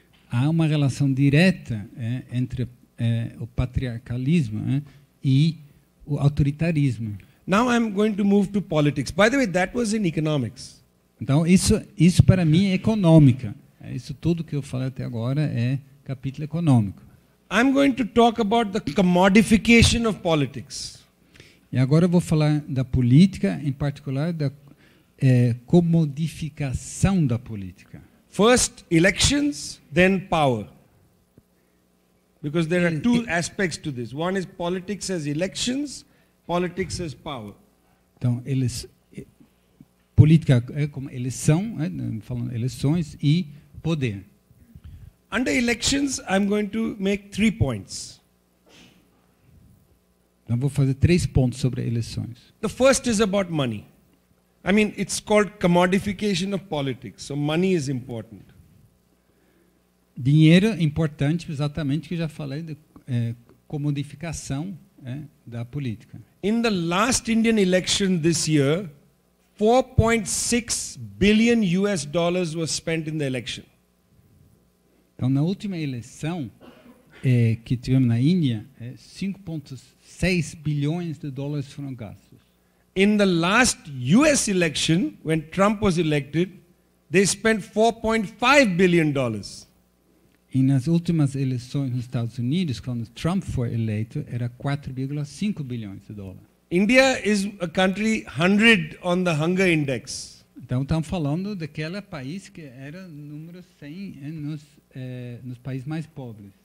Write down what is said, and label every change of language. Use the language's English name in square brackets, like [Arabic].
[Portuguese] Há uma relação direta entre o patriarcalismo e o autoritarismo. [English] Now I'm going to move to politics. By the way, that was in economics. [Portuguese] Então, isso para mim é econômica. Isso tudo que eu falei até agora é capítulo econômico. [English] I'm going to talk about the commodification of politics. [Portuguese] E agora eu vou falar da política, em particular da comodificação da política. [English] First, elections, then power. Because there are two aspects to this. One is politics as elections, politics as power. [Portuguese] Então, eles... Política é como eleição, falando eleições e poder. [English] Under elections, I'm going to make three points. [Portuguese] Então, vou fazer três pontos sobre eleições. [English] The first is about money. I mean, it's called commodification of politics, so money is important. [Portuguese] Dinheiro é importante, exatamente que eu já falei de comodificação da política. [English] In the last Indian election this year, $4.6 billion was spent in the election. [Portuguese] Então, na última eleição que tivemos na Índia, 5.6 bilhões de dólares foram gastos. [English] In the last US election, when Trump was elected, they spent $4.5 billion. [Portuguese] E nas últimas eleições nos Estados Unidos, quando Trump foi eleito, era 4,5 bilhões de dólares. [English] India is a country 100 on the hunger index. [Portuguese] Então estamos falando daquela país que era número 100 nos países mais pobres.